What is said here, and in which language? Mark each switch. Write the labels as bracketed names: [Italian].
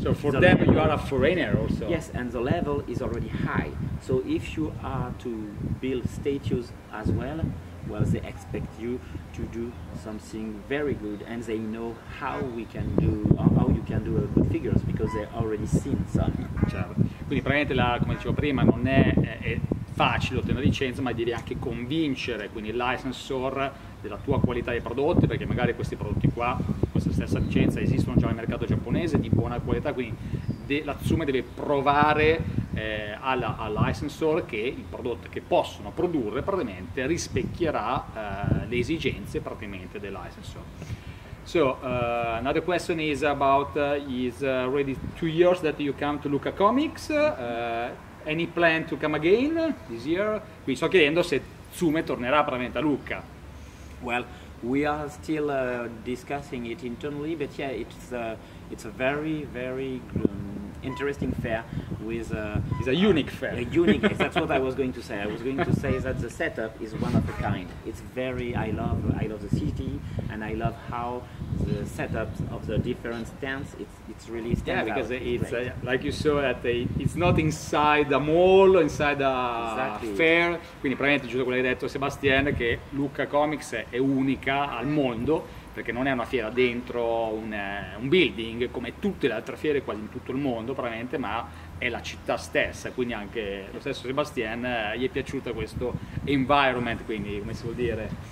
[English] So for them, you are a foreigner also. Yes, and the level is already high. So if you are to build statues as well, they expect you to do something very good, and they know how you can do a good figures, because they already seen some. [Italian] Certo. Quindi praticamente come dicevo prima, non è facile ottenere licenza, ma devi anche convincere quindi il licensor della tua qualità dei prodotti, perché magari questi prodotti qua, questa stessa licenza, esistono già nel mercato giapponese di buona qualità, quindi l'Atsume deve provare al licensor che il prodotto che possono produrre praticamente rispecchierà le esigenze praticamente del licensor. [English] So another question is about is already 2 years that you come to Luca Comics. Any plan to come again this year? [Italian] Quindi sto chiedendo se Tsume tornerà praticamente a Luca. [English] Well, we are still discussing it internally, but yeah, it's a very very interesting fair with it's a unique fair. A unique. That's what I was going to say. I was going to say that the setup is one of a kind. It's very. I love the city, and I love how the setups of the different stands. It's really stands out. Yeah, because it's like you saw that it's not inside a mall, inside a fair. [Italian] Quindi praticamente giusto quello che hai detto Sebastian, che Luca Comics è unica al mondo. Perché non è una fiera dentro un building come tutte le altre fiere quasi in tutto il mondo probabilmente, ma è la città stessa, quindi anche lo stesso Sebastian gli è piaciuto questo environment, quindi come si vuol dire.